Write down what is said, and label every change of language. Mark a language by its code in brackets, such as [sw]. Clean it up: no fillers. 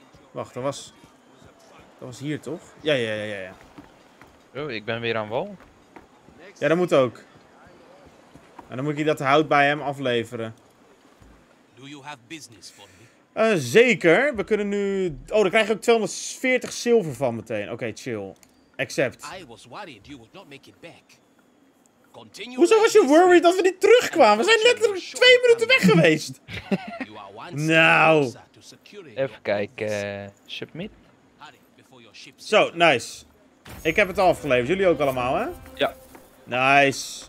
[nl] Wacht, dat was hier toch? Ja. Oh, ik ben weer aan wal. Ja, dat moet ook. En dan moet je dat hout bij hem afleveren. [en] Do you have business for me? [nl] Zeker. We kunnen nu... Oh, dan krijg ik ook 240 zilver van meteen. Oké, chill. Accept. [en] I was worried you would not make it back. Continue. [nl] Hoezo was je worried dat we niet terugkwamen? We zijn letterlijk 2 minuten weg geweest. Nou. Even kijken. Submit. Zo, nice. Ik heb het al afgeleverd. Jullie ook allemaal, hè? Ja. Nice.